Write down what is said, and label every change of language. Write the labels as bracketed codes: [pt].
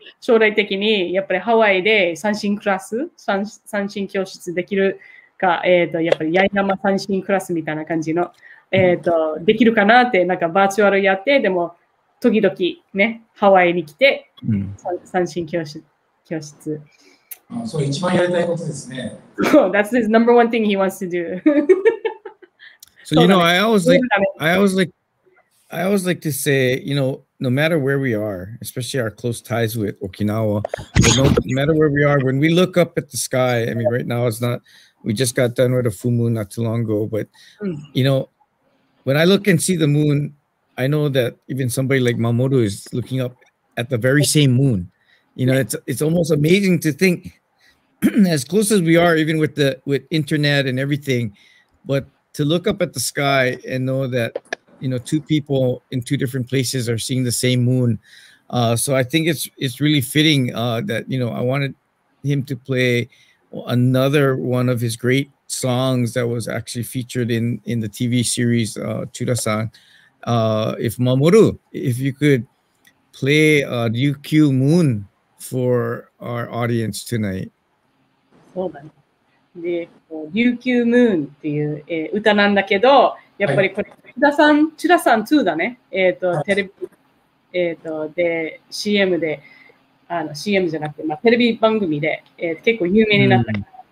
[ja] 将来的にやっぱりハワイで三線クラス、三線教室できるか、やっぱり八重山三線クラスみたいな感じの、できるかなって、なんかバーチャルやって、でも、時々ね、ハワイに来て、三線教室。そう、一番やりたいことですね。 [en] That's his number one thing he wants to do. So, you know, I always like to say, you know, no matter where we are, especially our close ties with Okinawa, no matter where we are, when we look up at the sky, I mean, right now it's not, we just got done with a full moon not too long ago, but, you know, when I look and see the moon,I know that even somebody like Mamoru is looking up at the very same moon. You know, it's almost amazing to think as close as we are, even with internet and everything, but to look up at the sky and know that, you know, two people in two different places are seeing the same moon. So I think it's really fitting that, you know, I wanted him to play another one of his great songs that was actually featured in the TV series, Chura-san. If Mamoru, if you could play UQ Moon for our audience tonight. [ja] そうだね。で、UQ Moon っていう、歌なんだけど、やっぱりこれ、チュラさん2だね。テレビ、で、CM で、CM じゃなくて、まあ、テレビ番組で、結構有名になったから。